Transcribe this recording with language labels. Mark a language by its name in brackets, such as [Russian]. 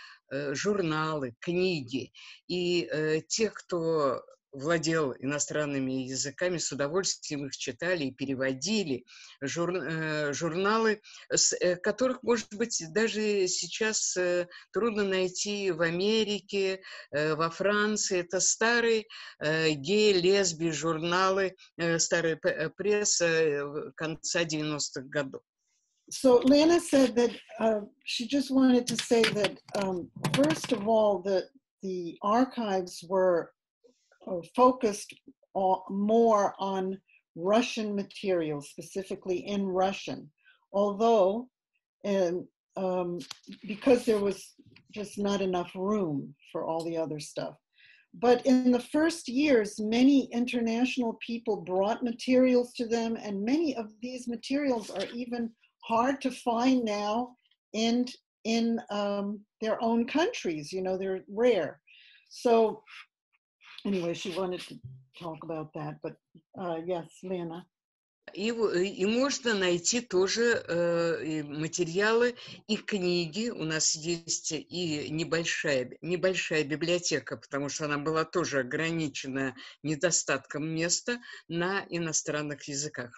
[Russian] журналы, книги, и те, кто владел иностранными языками, с удовольствием их читали и переводили, журналы, которых, может быть, даже сейчас трудно найти в Америке, во Франции. Это старые гей-лесби журналы, старая пресса конца 90-х годов. [English] So Lena said that she just wanted to say that first of all, that the archives were focused more on Russian material, specifically in Russian. Although, because there was just not enough room for all the other stuff. But in the first years, many international people brought materials to them, and many of these materials are even hard to find now and in their own countries. You know, they're rare. So anyway, she wanted to talk about that, but yes, Lena. [Russian] И можно найти тоже материалы и книги. У нас есть и небольшая библиотека, потому что она была тоже ограничена недостатком места на иностранных языках.